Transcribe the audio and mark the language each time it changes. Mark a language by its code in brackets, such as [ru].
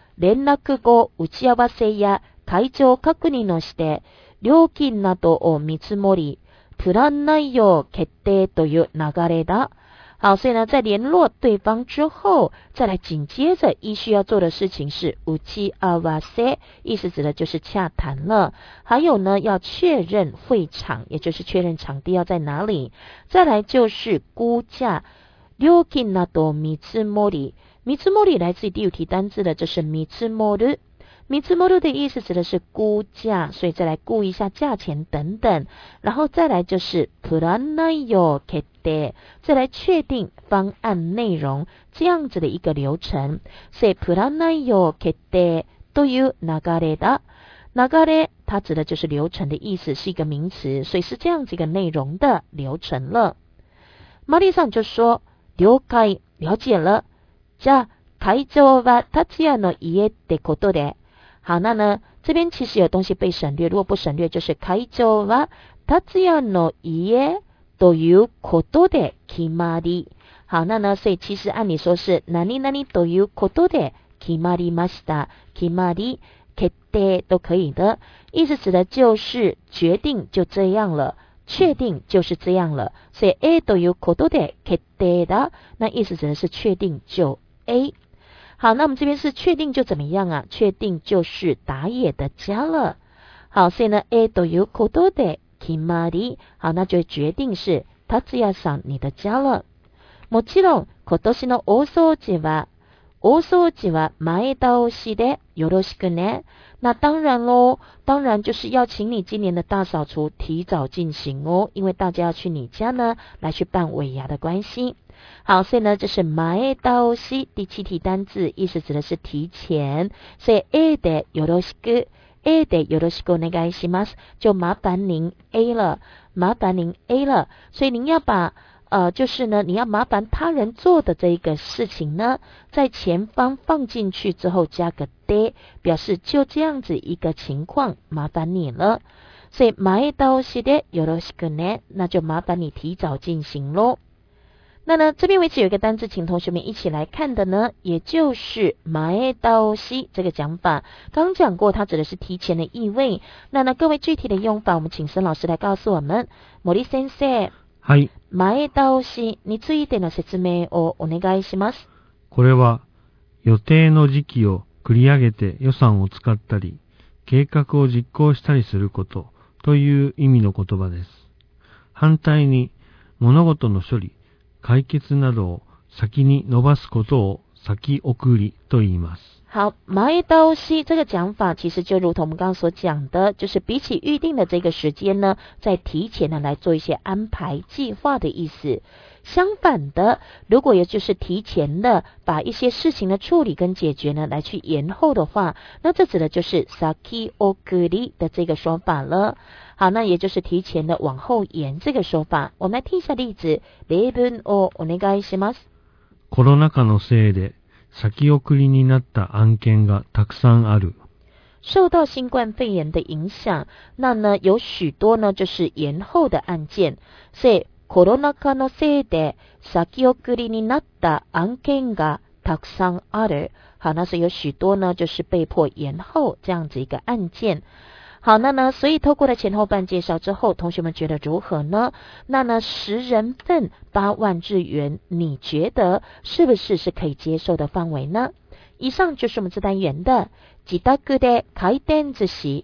[ja] 連絡後打ち合わせや会場確認をして、料金などを見積もり、プラン内容決定という流れだ。 [zh] 好，所以呢，在联络对方之后，再来紧接着依序要做的事情是打ち合わせ，意思指的就是洽谈了。还有呢，要确认会场，也就是确认场地要在哪里。再来就是估价， [ja] 料金など見積もり。 [zh] 見積もり来自于第五题单字的，就是見積もる。見積もる的意思指的是估价，所以再来估一下价钱等等。然后再来就是 [ja] プラン内容決定， [zh] 再来确定方案内容，这样子的一个流程。 [ja] 所以プラン内容決定という流れだ。 [zh] 流れ它指的就是流程的意思，是一个名词，所以是这样子一个内容的流程了。マリさん就说了解，了解了。 [ja] じゃあ会場は達也の家ってことで。 [zh] 好，那呢，这边其实有东西被省略，如果不省略就是 [ja] 会場は達也の家ということで決まり。 [zh] 好，那呢，所以其实按理说是 [ja] 何々ということで決まりました。 [zh] 決まり、決定都可以的。意思指的就是决定就这样了。确定就是这样了，所以 [ja] A ということで決定だ， [zh] 那意思指的是确定就 A。好，那我们这边是确定就怎么样啊，确定就是打野的家了。好，所以呢 [ja] A ということで決まり， [zh] 好，那就决定是達也さん你的家了。 [ja] もちろん今年の大掃除は前倒しでよろしくね。 [zh] 那当然咯，当然就是要请你今年的大扫除提早进行哦，因为大家要去你家呢来去办尾牙的关系。好，所以呢这是前倒し第七题单字，意思指的是提前，所以 [ja] A でよろしく、 A でよろしくお願いします， [zh] 就麻烦您 A 了，麻烦您 A 了。所以您要把就是呢，你要麻烦他人做的这一个事情呢，在前方放进去之后加个 de， 表示就这样子一个情况，麻烦你了。所以 [ja] 前倒しでよろしくね， [zh] 那就麻烦你提早进行咯。那呢，这边为止有一个单字，请同学们一起来看的呢，也就是前倒し这个讲法。刚讲过，它指的是提前的意味。那呢，各位具体的用法，我们请森老师来告诉我们。 [ja] 森先生。はい、前倒しについての説明をお願いします。これは予定の時期を繰り上げて予算を使ったり計画を実行したりすることという意味の言葉です。反対に物事の処理、解決などを先に伸ばすことを先送りと言います。 [zh] 好，前倒し这个讲法其实就如同我们刚刚所讲的，就是比起预定的这个时间呢，在提前呢来做一些安排计划的意思。相反的，如果也就是提前的把一些事情的处理跟解决呢来去延后的话，那这指的就是先送り的这个说法了。好，那也就是提前的往后延这个说法。我们来听一下例子。 [ja] 例文をお願いします。コロナ禍のせいで先送りになった案件がたくさんある。 [zh] 受到新冠肺炎的影响，那呢有许多呢就是延后的案件。 [ja] 所以コロナ禍のせいで先送りになった案件がたくさんある。 [zh] 好，那是有许多呢就是被迫延后这样子一个案件。好，那呢，所以透过了前后半介绍之后，同学们觉得如何呢？那呢，十人份80000日元，你觉得是不是是可以接受的范围呢？以上就是我们这单元的。 [ja] 自宅で回転寿司